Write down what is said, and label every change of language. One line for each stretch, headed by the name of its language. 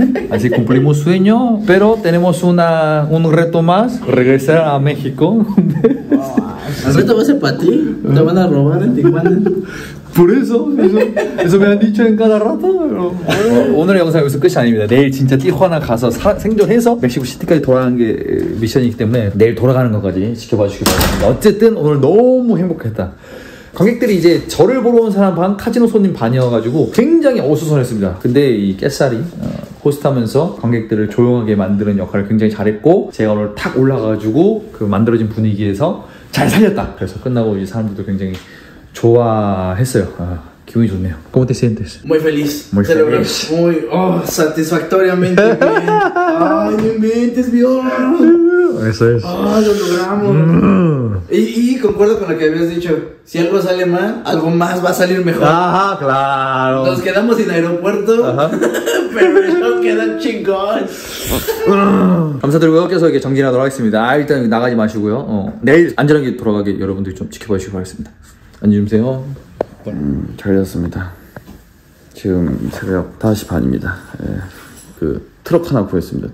Korean: 아직
Spanish: cumplimos sueño, pero tenemos un reto más, regresar a México. ¿Reto va a ser para ti? ¿Te van a robar en Tijuana? Por eso me han dicho en cada rato.
Korean: 오늘의 영상 여기서 끝이 아닙니다. 내일 진짜 티화나 가서 생존해서 멕시코 시티까지 돌아가는 게 미션이기 때문에 내일 돌아가는 것까지 지켜봐 주시기 바랍니다. 어쨌든 오늘 너무 행복했다. 관객들이 이제 저를 보러 온 사람 반, 카지노 손님 반이어가지고 굉장히 어수선했습니다. 근데 이 깨살이 호스트하면서 관객들을 조용하게 만드는 역할을 굉장히 잘했고 제가 오늘 탁 올라가가지고 그 만들어진 분위기에서 잘 살렸다. 그래서 끝나고 이제 사람들도 굉장히 좋아했어요. 기분이 좋네요.
Spanish: ¿Cómo te sientes? Muy feliz. Muy feliz. Muy satisfactoriamente. Ay, mi mente es mío. Eso es. Ah, lo logramos. Y concuerdo con lo que habías dicho. Si algo sale mal, algo más va a salir mejor. Ajá, claro. Nos quedamos sin aeropuerto. Ajá. Pero eso queda chingón.
Korean: 감사드리고요. 계속 이렇게 정진하도록 하겠습니다. 아, 일단 나가지 마시고요. 내일 안전하게 돌아가게 여러분들이 좀 지켜봐 주시기 바라겠습니다. 안녕히 주무세요. 잘 잤습니다. 지금 새벽 5시 반입니다. 예. 그 트럭 하나 구했습니다.